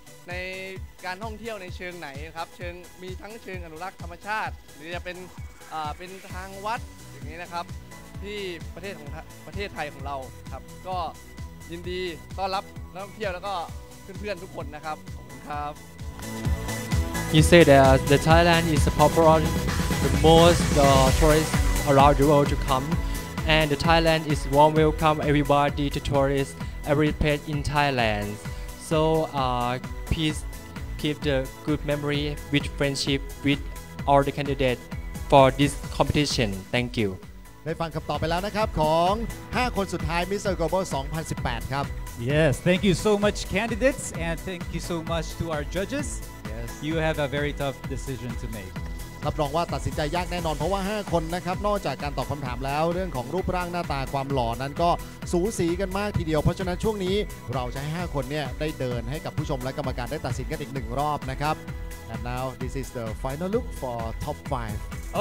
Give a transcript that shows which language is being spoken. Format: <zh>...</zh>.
<th>นการท่องเที่ยวในเชิงไหนครับเชิงมีทั้งเชิงอนุรักษ์ธรรมชาติหรือจะเป็นทางวัดอย่างนี้นะครับที่ประเทศของประเทศไทยของเราครับก็ยินดีต้อนรับนักท่องเที่ยวแล้วก็เพื่อนๆทุกคนนะครับขอบคุณครับ</th> <en>You say that the Thailand is popular the most the tourists around the world to come and the Thailand is warm welcome everybody to tourists every place in Thailand so Please keep the good memory with friendship with all the candidates for this competition. Thank you.</en> <th>ได้ฟังคำตอบไปแล้วนะครับของ5คนสุดท้าย Mr. Global 2018ครับ</th> <en>Yes, thank you so much candidates and thank you so much to our judges. Yes. You have a very tough decision to make.</en> <th>รับรองว่าตัดสินใจยากแน่นอนเพราะว่า5คนนะครับนอกจากการตอบคำถามแล้วเรื่องของรูปร่างหน้าตาความหล่อนั้นก็สูสีกันมากทีเดียวเพราะฉะนั้นช่วงนี้เราจะให้5คนเนี่ยได้เดินให้กับผู้ชมและกรรมการได้ตัดสินกันอีก1รอบนะครับ</th> <en>And now this is the final look for top 5</en>